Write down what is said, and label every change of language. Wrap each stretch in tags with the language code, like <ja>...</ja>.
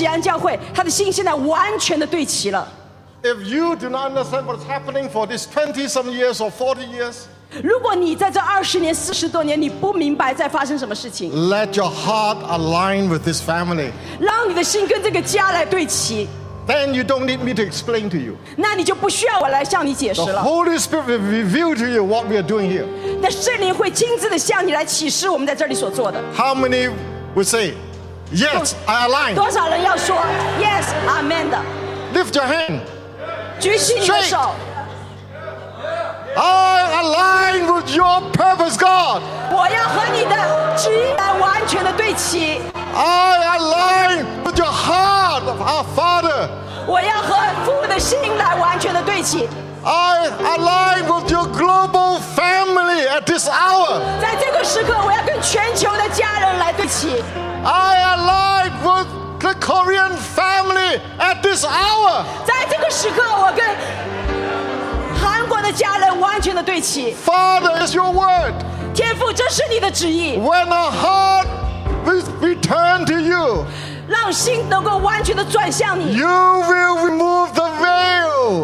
<zh>经过六个月他在西安教会，他的心现在完全的对齐了。</zh> <en>If you do not understand what's happening for these 20 some years or 40 years,</en> <zh>如果你在这20年40多年你不明白在发生什么事情，</zh> <en>let your heart align with this family.</en> <zh>让你的心跟这个家来对齐。</zh> <en>Then you don't need me to explain to you.</en> <zh>那你就不需要我来向你解释了。</zh> <en>The Holy Spirit will reveal to you what we are doing here.</en> <zh>那圣灵会亲自的向你来启示我们在这里所做的。</zh> <en>How many would say, yes, I align?</en> <zh>多少人要说</zh> <en>yes, amen</en> <zh>的？</zh> <en>Lift your hand.</en> <zh>举起你的手。</zh> <en>I align with your purpose, God.</en> <zh>我要和你的旨意来完全的对齐。</zh> <en>I align with your heart, our Father.</en> <zh>我要和父的心来完全的对齐。</zh> <en>I align with your global family at this hour.</en> <zh>在这个时刻，我要跟全球的家人来对齐。</zh> <en>I align with the Korean family at this hour.</en> <zh>在这个时刻，我跟 家人完全的对齐。</zh> <en>Father, is your word.</en> <zh>天父，这是你的旨意。</zh> <en>When our heart is returned to you,</en> <zh>让心能够完全的转向你。</zh> <en>You will remove the veil.</en>